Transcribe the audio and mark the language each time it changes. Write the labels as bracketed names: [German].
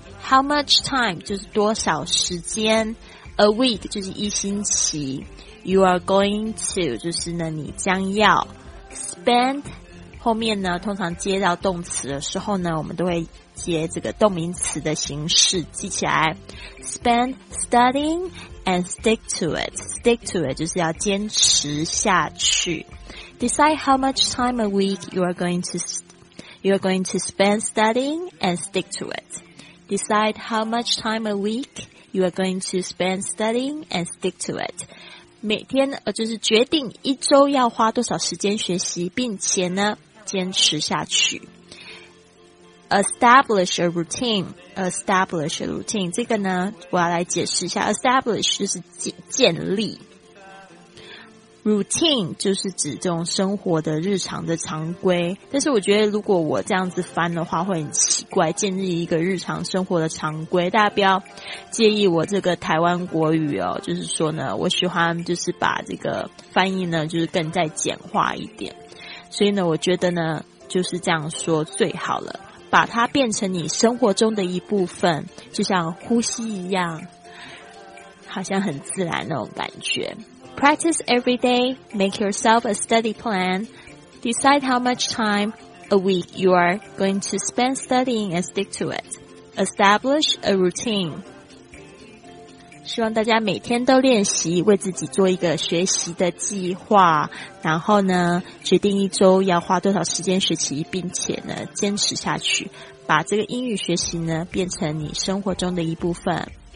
[English] How much time [Chinese] 就是多少时间 ， [English] a week [Chinese] 就是一星期 ， [English] you are going to [Chinese] 就是呢你将要 spend 后面呢通常接到动词的时候呢，我们都会接这个动名词的形式，记起来 ， [English] spend studying and stick to it， stick to it [Chinese] 就是要坚持下去 ， [English] decide how much time a week you are going to spend studying and stick to it。 Decide how much time a week you are going to spend studying and stick to it. [Chinese] 每天就是决定一周要花多少时间学习，并且呢坚持下去。 [English] Establish a routine. Establish a routine. [Chinese] 这个呢我要来解释一下。 Establish 就是建立。 Routine 就是指这种生活的日常的常规，但是我觉得如果我这样子翻的话会很奇怪，建立一个日常生活的常规，大家不要介意我这个台湾国语哦，就是说呢我喜欢就是把这个翻译呢就是更再简化一点，所以呢我觉得呢就是这样说最好了，把它变成你生活中的一部分，就像呼吸一样，好像很自然那种感觉。 [English] Practice every day, make yourself a study plan, decide how much time a week you are going to spend studying and stick to it. Establish a routine. [Chinese] 希望大家每天都练习，为自己做一个学习的计划，然后呢，决定一周要花多少时间学习，并且呢，坚持下去，把这个英语学习呢，变成你生活中的一部分。